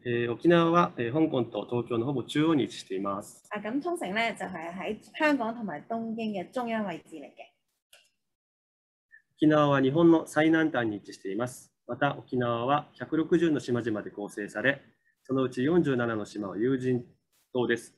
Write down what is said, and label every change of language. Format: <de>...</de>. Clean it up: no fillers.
<ja>沖縄は香港と東京のほぼ中央に位置しています。</ja> <yue>あ、咁沖繩咧就係喺香港同埋東京嘅中央位置嚟嘅。</yue> <ja>沖縄は日本の最南端に位置しています。また沖縄は160の島々で構成され、そのうち47の島は有人島です。</ja>